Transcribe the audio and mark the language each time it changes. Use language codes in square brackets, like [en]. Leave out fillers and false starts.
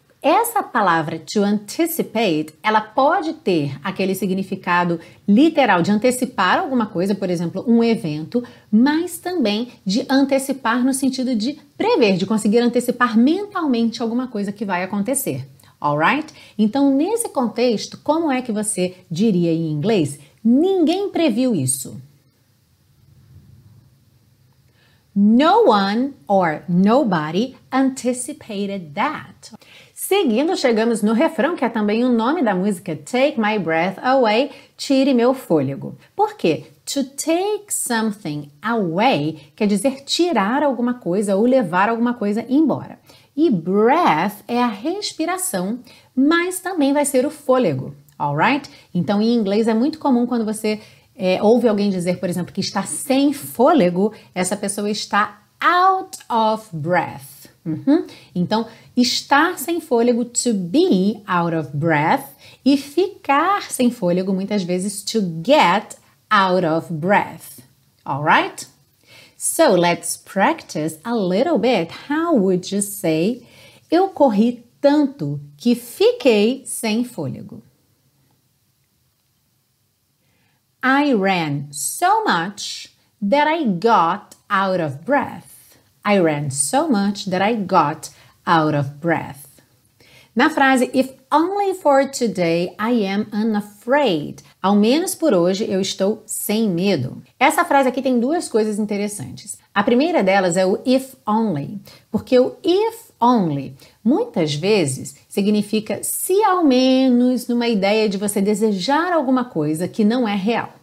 [pt] Essa palavra to anticipate, ela pode ter aquele significado literal de antecipar alguma coisa, por exemplo, um evento, mas também de antecipar no sentido de prever, de conseguir antecipar mentalmente alguma coisa que vai acontecer. [en] Alright? [pt] Então, nesse contexto, como é que você diria em inglês? Ninguém previu isso. [en] No one or nobody anticipated that. [pt] Seguindo, chegamos no refrão, que é também o nome da música, Take My Breath Away, Tire Meu Fôlego. Por quê? [en] To take something away [pt] quer dizer tirar alguma coisa ou levar alguma coisa embora. E breath é a respiração, mas também vai ser o fôlego, [en] alright? [pt] Então, em inglês, é muito comum quando você ouve alguém dizer, por exemplo, que está sem fôlego, essa pessoa está [en] out of breath. [pt] Uhum. Então, estar sem fôlego, [en] to be out of breath, [pt] e ficar sem fôlego, muitas vezes, [en] to get out of breath. Alright? So, let's practice a little bit. How would you say, [pt] eu corri tanto que fiquei sem fôlego? [en] I ran so much that I got out of breath. I ran so much that I got out of breath. [pt] Na frase, [en] if only for today, I am unafraid. [pt] Ao menos por hoje, eu estou sem medo. Essa frase aqui tem duas coisas interessantes. A primeira delas é o if only. Porque o if only, muitas vezes, significa se ao menos numa ideia de você desejar alguma coisa que não é real.